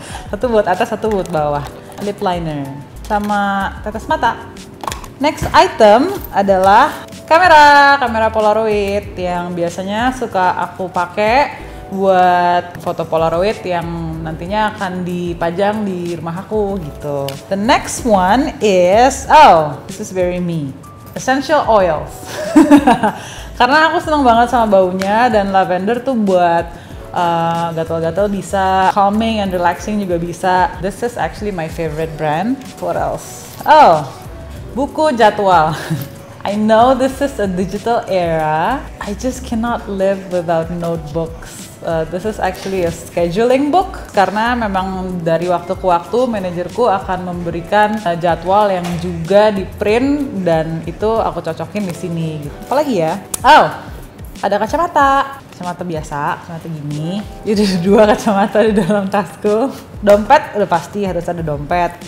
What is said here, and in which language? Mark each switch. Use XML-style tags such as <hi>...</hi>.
<id>Satu buat atas, satu buat bawah. Lip liner sama tetes mata.</id> <en>Next item</en> <id>adalah kamera Polaroid yang biasanya suka aku pakai buat foto Polaroid yang nantinya akan dipajang di rumah aku gitu.</id> <en>The next one is this is very me. Essential oils.</en> <id>Karena aku senang banget sama baunya dan lavender tuh buat gatal-gatal bisa,</id> <en>calming and relaxing</en> <id>juga bisa.</id> <en>This is actually my favorite brand. What else?</en> <id>Buku jadwal.</id> <en>I know this is a digital era. I just cannot live without notebooks. This is actually a scheduling book.</en> <id>Karena memang dari waktu ke waktu manajerku akan memberikan jadwal yang juga di print dan itu aku cocokin di sini. Apalagi ya? Ada kacamata. Kacamata biasa, kacamata gini. Jadi ada dua kacamata di dalam tasku. Dompet, udah pasti harus ada dompet.</id>